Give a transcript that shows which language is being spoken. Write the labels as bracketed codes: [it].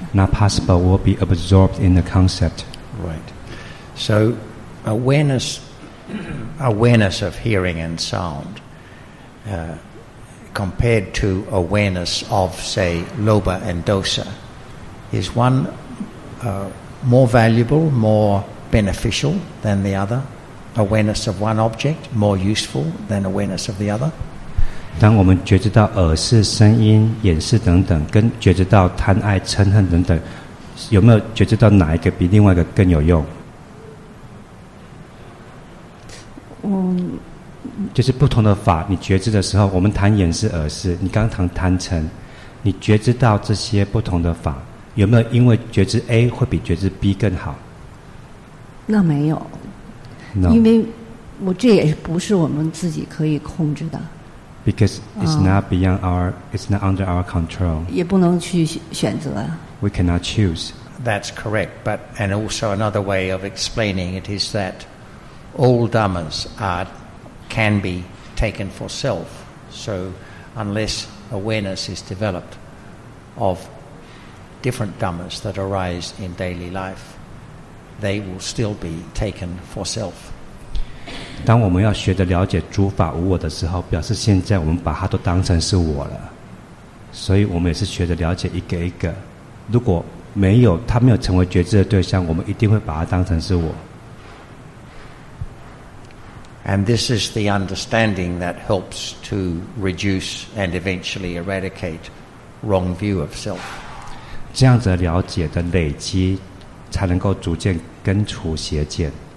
[en] Not possible, will be absorbed in the concept. Right. So awareness of hearing and sound, compared to awareness of, say, lobha and dosa, is one more valuable, more beneficial than the other? Awareness of one object more useful than awareness of the other? [zh] 当我们觉知到耳识、声音、眼识等等，跟觉知到贪爱、嗔恨等等，有没有觉知到哪一个比另外一个更有用？就是不同的法，你觉知的时候，我们谈眼识、耳识，你刚谈贪嗔，你觉知到这些不同的法，有没有因为觉知 A 会比觉知 B 更好？那没有， [en] no. [zh] 因为我这也不是我们自己可以控制的。 [en] Because it's not beyond our, it's not under our control. [zh] 也不能去选择。 [en] We cannot choose. That's correct. But, and also another way of explaining it is that all dhammas can be taken for self. So unless awareness is developed of different dhammas that arise in daily life, they will still be taken for self. [zh] 当我们要学着了解诸法无我的时候，表示现在我们把它都当成是我了，所以我们也是学着了解一个一个，如果没有它没有成为觉知的对象，我们一定会把它当成是我。 [en] And this is the understanding that helps to reduce and eventually eradicate wrong view of self. [zh] 这样子的了解的累积才能够逐渐根除邪见。